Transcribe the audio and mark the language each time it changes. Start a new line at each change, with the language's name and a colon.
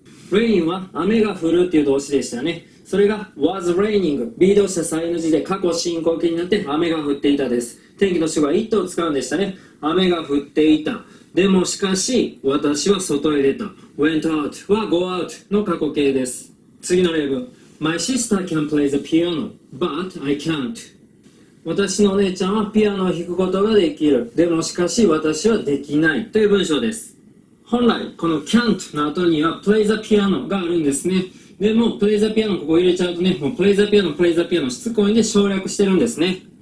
Japanese: Rain は雨が降るっていう動詞でしたね。それが
English: was raining、
Japanese: B 動詞再 NG で過去進行形になって雨が降っていたです。天気の主語は it を使うんでしたね。雨が降っていた、でもしかし私は外へ出た。
English: went out
Japanese: は
English: go out
Japanese: の過去形です。次の例文。
English: My sister can play the piano, but I can't.
Japanese: 私のお姉ちゃんはピアノを弾くことができる。でもしかし私はできないという文章です。本来この can't の後には
English: play the piano
Japanese: があるんですね。でも
English: play the piano
Japanese: ここ入れちゃうとね、もう play the piano、 play the piano しつこいんで省略してるんですね。